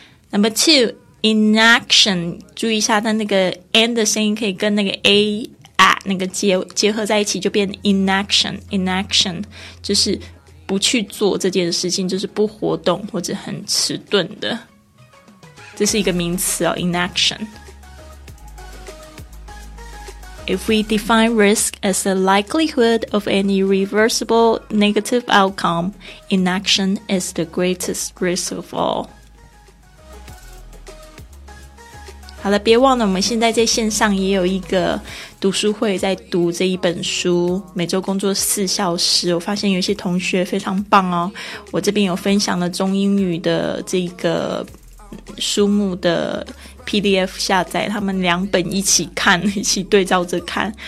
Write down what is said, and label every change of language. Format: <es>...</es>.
<en>Number two,</en> <zh>inaction, 注意一下它那个 N 的声音可以跟那个 A 啊那个结合在一起，就变 inaction, 就是不去做这件事情，就是不活动或者很迟钝的，这是一个名词哦， inaction。</zh> <en>If we define risk as a likelihood of an irreversible negative outcome, inaction is the greatest risk of all.</en> <zh>好了，别忘了我们现在在线上也有一个读书会，在读这一本书，每周工作四小时。我发现有些同学非常棒哦，我这边有分享了中英语的这个书目的 PDF 下载，他们两本一起看，一起对照着看。</zh>